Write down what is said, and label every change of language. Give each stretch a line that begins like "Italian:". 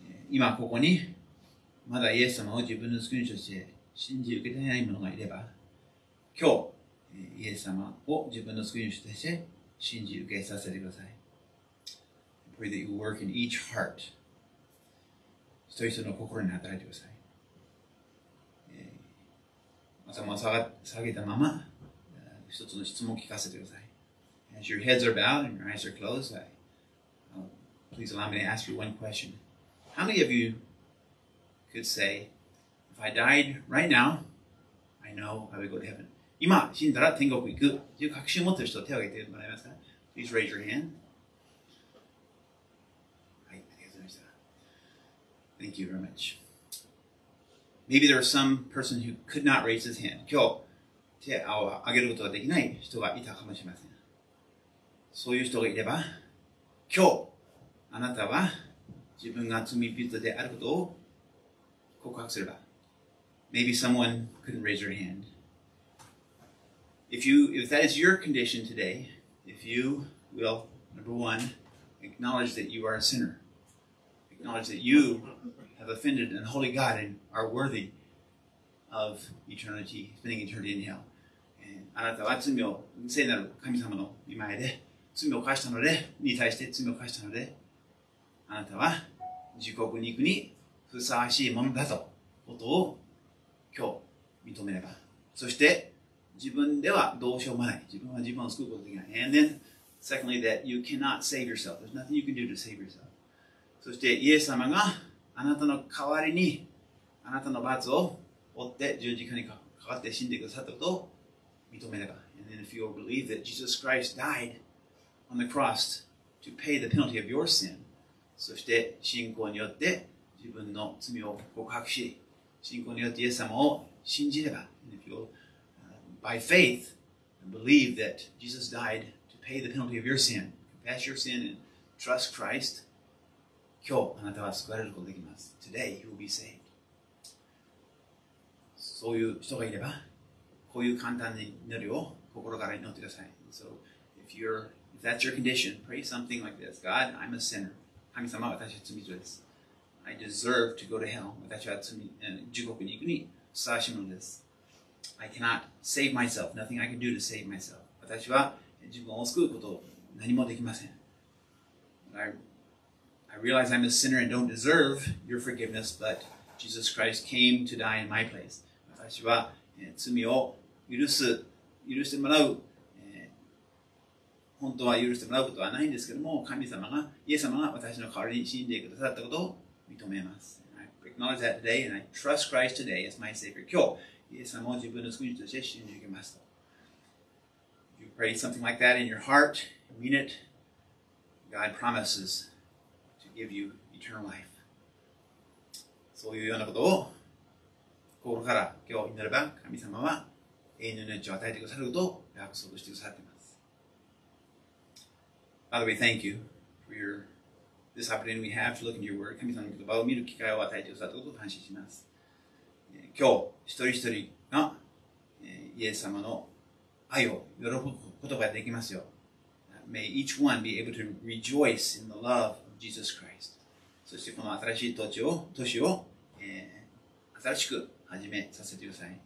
Japanese: 今ここに、まだイエス様を自分の救い主として、信じ受けていない者がいれば、今日、イエス様を自分の救い主として信じ受けさせてください。
English: I pray that you work in each heart.
Japanese: 一人一人の心に働いてください。頭を下げたまま、一つの質問を聞かせてください。
English: As your heads are bowed and your eyes are closed, please allow me to ask you one question. How many of you could say,If I died right now, I know I would go to heaven.
Japanese: 今死んだら天国行くという確信を持っている人手を挙げてもらえますか
English: Please raise your hand.
Japanese: はい、ありがとうございました。
English: Thank you very much. Maybe there is some person who could not raise his hand.
Japanese: 今日手を挙げることができない人がいたかもしれません。そういう人がいれば、今日あなたは自分が罪人であることを告白すれば、
English: Maybe someone couldn't raise your hand. If that is your condition today, if you will, number one, acknowledge that you are a sinner, acknowledge that you have offended an holy God and are worthy of eternity, spending eternity in hell.
Japanese: あなたは罪を、聖なる神様の御前で、罪を犯したので、に対して罪を犯したので、あなたは地獄に行くにふさわしいものだと、ことを今日認めれば、そして自分ではどうしようもない。自分は自分を救うことができない。
English: And then, secondly, that you cannot save yourself. There's nothing you can do to save yourself.
Japanese: そしてイエス様があなたの代わりにあなたの罰を負って十字架にかかって死んでくださったことを認めれば。
English: And then if you believe that Jesus Christ died on the cross to pay the penalty of your sin,
Japanese: そして信仰によって自分の罪を告白し、信仰によってイエス様を信じれば、
English: if you by faith believe that Jesus died to pay the penalty of your sin, confess your sin and trust Christ,
Japanese: 今日あなたは救われることができます。
English: Today you will be saved.
Japanese: そういう人がいれば、こういう簡単な祈りを心から祈ってください。
English: So if you're, if that's your condition, pray something like this. God, I'm a sinner.
Japanese: 神様、私は罪人です。
English: I deserve to go to hell.
Japanese: 私は罪、地獄に行くにふさわしいものです。
English: I cannot save myself. Nothing I can do to save myself.
Japanese: 私は自分を救うこと何もできません。
English: I realize I'm a sinner and don't deserve your forgiveness, but Jesus Christ came to die in my place.
Japanese: 私は罪を許してもらう、本当は許してもらうことはないんですけども、神様が、イエス様が私の代わりに死んでくださったことを認めます。
English: I acknowledge that today and I trust Christ today as my Savior.
Japanese: 今日、イエス様を自分の救い主として信じていきます。
English: If you pray something like that in your heart, mean it, God promises. Give you eternal life.
Japanese: そういうようなことを心から今日祈れば神様は永遠の命を与えてくださることを約束してくださっています。
English: Father, we thank you for your, this opportunity we have to look into your word.
Japanese: 神様の言葉を見る機会を与えてくださることを感謝します。今日一人一人がイエス様の愛を喜ぶことができますよ。
English: May each one be able to rejoice in the love. Jesus Christ.
Japanese: そしてこの新しい都市を、新しく始めさせてください。